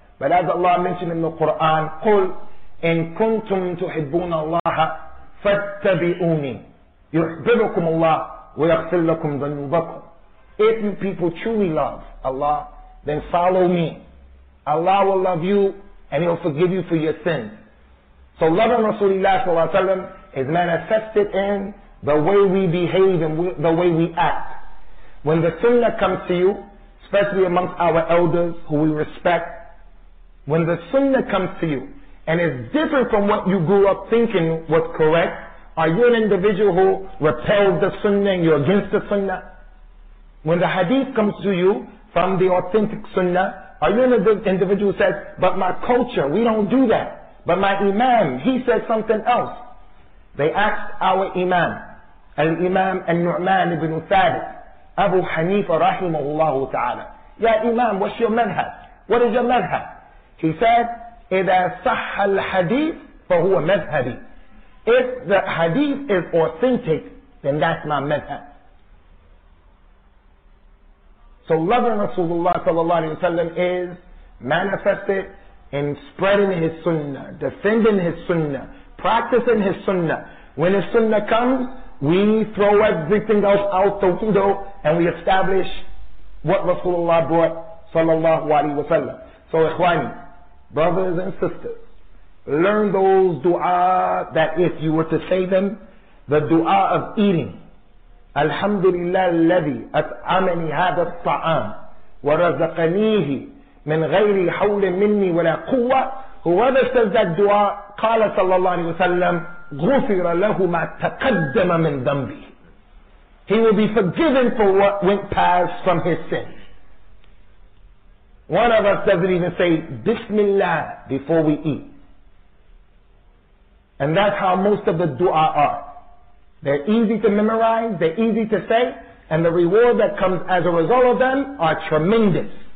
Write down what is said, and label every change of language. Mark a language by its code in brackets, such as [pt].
[en] But as Allah mentioned in the Quran, [ar] قُلْ إِن كُنْتُمْ تُحِبُّونَ اللَّهَ فَاتَّبِئُونِي يُحْبِبُكُمُ اللَّهُ وَيَغْفِرْ لَكُمْ ذُنُوبَكُمْ. [en] If you people truly love Allah, then follow me. Allah will love you and He'll forgive you for your sins. So loving Rasulullah is manifested in the way we behave and the way we act. When the sunnah comes to you, especially amongst our elders who we respect, when the sunnah comes to you and is different from what you grew up thinking was correct, are you an individual who repels the sunnah and you're against the sunnah? When the hadith comes to you from the authentic sunnah, are you an individual who says, but my culture, we don't do that. But my imam, he says something else. They asked our imam, al-imam al-Nu'man ibn Thabit, Abu Hanifa rahimahullah ta'ala. Ya imam, what's your madhab? What is your madhab? He said, [ar] إِذَا صَحَّ الْحَدِيثِ فَهُوَ مَذْهَبِي. [en] If the hadith is authentic, then that's my madhab. So loving Rasulullah sallallahu alayhi wa sallam is manifested in spreading his sunnah, defending his sunnah, practicing his sunnah. When his sunnah comes, we throw everything else out the window and we establish what Rasulullah brought sallallahu alayhi wa sallam. So ikhwani, brothers and sisters, learn those dua that if you were to say them, the dua of eating. [ar] الحمد لله الذي أطعمني هذا الطعام ورزقنيه من غير حول مني ولا قوة. [en] Whoever says that dua, [ar] قال صلى الله عليه وسلم غفر له ما تقدم من ذنبه. [en] He will be forgiven for what went past from his sins. One of us doesn't even say Bismillah before we eat. And that's how most of the dua are. They're easy to memorize, they're easy to say, and the reward that comes as a result of them are tremendous.